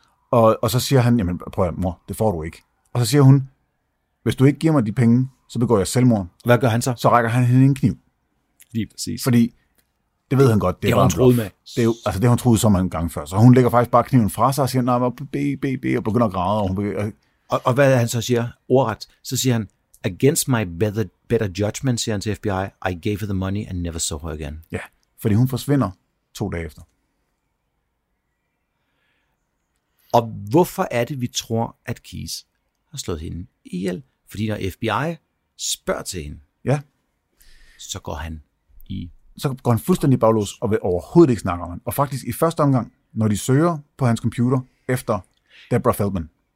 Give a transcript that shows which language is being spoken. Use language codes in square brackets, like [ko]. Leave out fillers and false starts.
[da] Og så siger han, jamen prøv at mor, det får du ikke. Og så siger hun, hvis du ikke giver mig de penge, så begår jeg selvmord. Hvad gør han så? Så rækker han hende en kniv. Lige præcis. Fordi, det ved han godt. Det har hun troet med. Det er jo, altså det har hun troet så mange gange før. Så hun lægger faktisk bare kniven fra sig og siger, nej, og begynder at græde. Og hvad han så siger? Ordret. Så siger han, [en] against my better judgment, [da] siger han til FBI, [en] I gave her the money and never saw her again. [da] Ja, fordi hun forsvinder 2 dage efter. Og hvorfor er det, vi tror, at Keys har slået hende ihjel, fordi når FBI spørger til hende, ja, så går han i... Så går han fuldstændig baglås og vil overhovedet ikke snakke om hende. Og faktisk i første omgang, når de søger på hans computer efter Deborah Feldman.